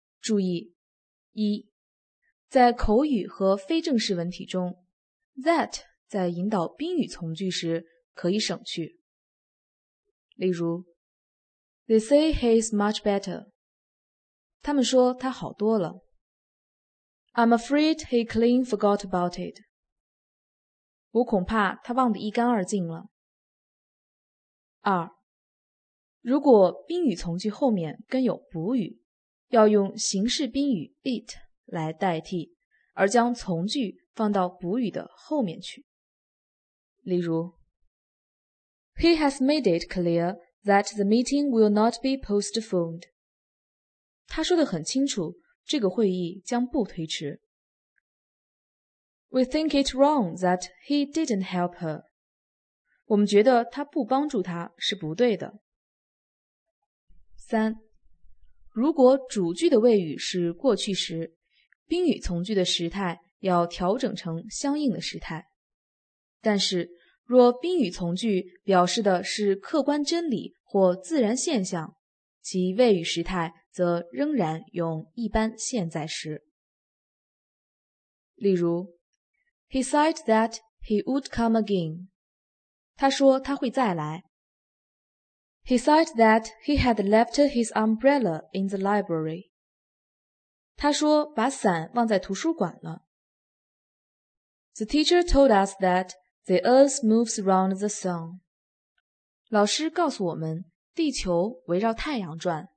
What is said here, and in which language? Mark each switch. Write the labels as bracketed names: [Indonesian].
[Chinese] 注意，一，在口语和非正式文体中 ，that 在引导宾语从句时可以省去。例如 [English] ，They say he's much better. [Chinese] 他们说他好多了。 [English] I'm afraid he clean forgot about it. [Chinese] 我恐怕他忘得一干二净了。二，如果宾语从句后面跟有补语，要用形式宾语 it 来代替，而将从句放到补语的后面去。例如 [English] ，He has made it clear that the meeting will not be postponed. [Chinese] 他说得很清楚，这个会议将不推迟。 [English] We think it wrong that he didn't help her. [Chinese] 我们觉得他不帮助他是不对的。三，如果主句的谓语是过去时，宾语从句的时态要调整成相应的时态。但是，若宾语从句表示的是客观真理或自然现象，其谓语时态则仍然用一般现在时。例如 [English] ,He said that he would come again. [Chinese] 他说他会再来。 [English] He said that he had left his umbrella in the library. [Chinese] 他说把伞忘在图书馆了。 [English] The teacher told us that the earth moves around the sun. [Chinese] 老师告诉我们地球围绕太阳转。